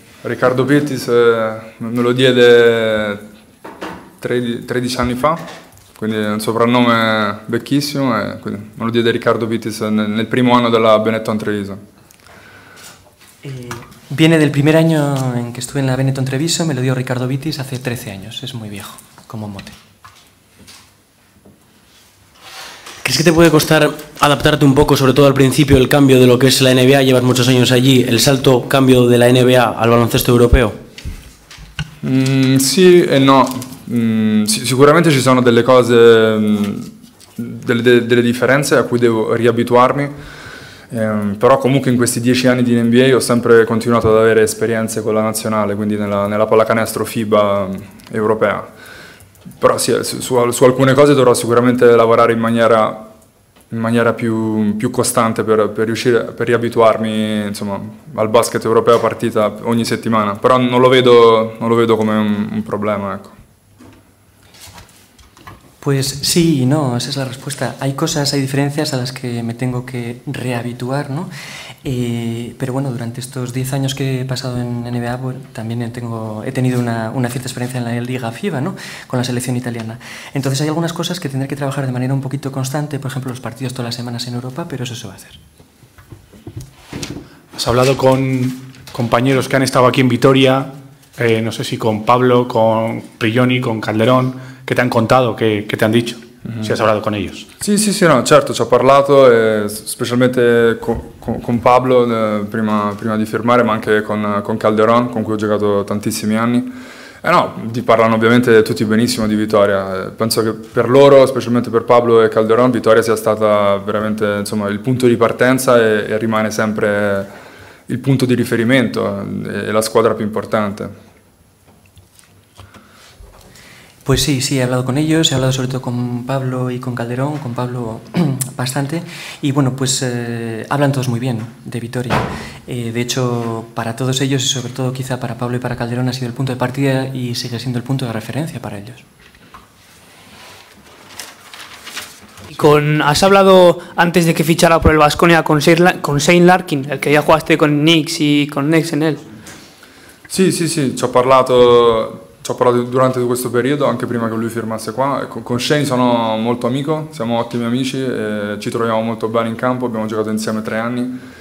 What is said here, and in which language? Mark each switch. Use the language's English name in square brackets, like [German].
[Italian] Riccardo Pittis me lo diede 13 anni fa, quindi è un soprannome vecchissimo, e me lo diede Riccardo Pittis nel primo anno della Benetton Treviso. [Spanish] Viene del primer año en que estuve en la Benetton Treviso, me lo dio Ricardo Vitis hace 13 años, es muy viejo, como mote. ¿Crees que te puede costar adaptarte un poco, sobre todo al principio, el cambio de lo que es la NBA, llevas muchos años allí, el salto cambio de la NBA al baloncesto europeo? [Italian] Sí e no. Sicuramente ci sono delle cose, delle differenze a cui devo riabituarmi, però comunque in questi 10 anni di NBA ho sempre continuato ad avere esperienze con la nazionale, quindi nella pallacanestro FIBA europea. Però sì, su alcune cose dovrò sicuramente lavorare in maniera più costante per riabituarmi, insomma, al basket europeo partita ogni settimana. Però non lo vedo come un problema, ecco. [Spanish] Pues sí y no, esa es la respuesta. Hay cosas, hay diferencias a las que me tengo que rehabituar, ¿no? Pero bueno, durante estos 10 años que he pasado en NBA, pues, también he tenido una cierta experiencia en la Liga FIBA, ¿no? Con la selección italiana. Entonces hay algunas cosas que tendré que trabajar de manera un poquito constante, por ejemplo, los partidos todas las semanas en Europa, pero eso se va a hacer. Has hablado con compañeros que han estado aquí en Vitoria, no sé si con Pablo, con Prigioni, con Calderón. [Italian] Che ti hanno contato, che ti hanno detto? Si è parlato [Spanish] con ellos? [Italian] Sì, no, certo, ci ho parlato, specialmente con Pablo prima di firmare, ma anche con Calderon, con cui ho giocato tantissimi anni. No, ti parlano ovviamente tutti benissimo di Vitoria. Penso che per loro, specialmente per Pablo e Calderon, Vitoria sia stata veramente, insomma, il punto di partenza e rimane sempre il punto di riferimento e la squadra più importante. [Spanish] Pues sí, he hablado con ellos, he hablado sobre todo con Pablo y con Calderón, con Pablo bastante, y bueno, pues hablan todos muy bien de Vitoria. De hecho, para todos ellos, y sobre todo quizá para Pablo y para Calderón, ha sido el punto de partida y sigue siendo el punto de referencia para ellos. Has hablado antes de que fichara por el Baskonia con Shane Larkin, el que ya jugaste con Knicks y con Knicks en él. [Italian] Sì, ci ho parlato. Ci ho parlato durante questo periodo, anche prima che lui firmasse qua. Con Shane sono molto amico, siamo ottimi amici, ci troviamo molto bene in campo, abbiamo giocato insieme 3 anni.